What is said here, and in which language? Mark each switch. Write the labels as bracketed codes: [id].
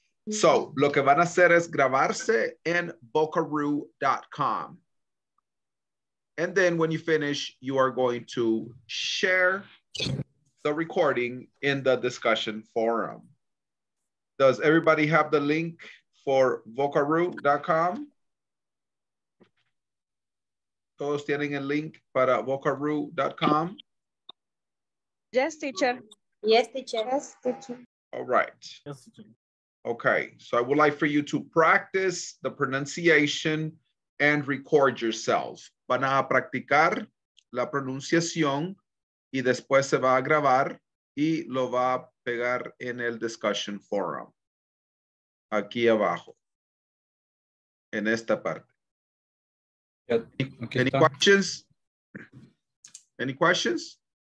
[es] So, lo que van a hacer es grabarse en bocaroo.com. [en] And then when you finish, you are going to share the recording in the discussion forum. Does everybody have the link for vocaroo.com? [es] Todos tienen el link para vocaroo.com? [en] Yes, teacher. Yes, teacher. Yes, teacher. All right. Yes, teacher. Okay, so I would like for you to practice the pronunciation and record yourself. [es] Van a practicar la pronunciación y después se va a grabar y lo va a pegar en el discussion forum. Aquí abajo. En esta parte. [en] Any questions? Any questions?